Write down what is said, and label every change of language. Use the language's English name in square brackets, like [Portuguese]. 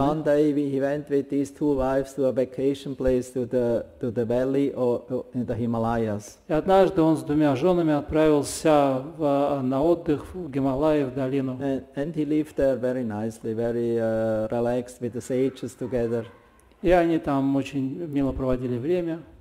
[English] And one day he went with these two wives to a vacation place to the valley or in the Himalayas. [Russian] И однажды он с двумя женами отправился на отдых в Гималаи, в долину. [English] And he lived there very nicely, very relaxed with the sages together. [Russian] И они там очень мило проводили время.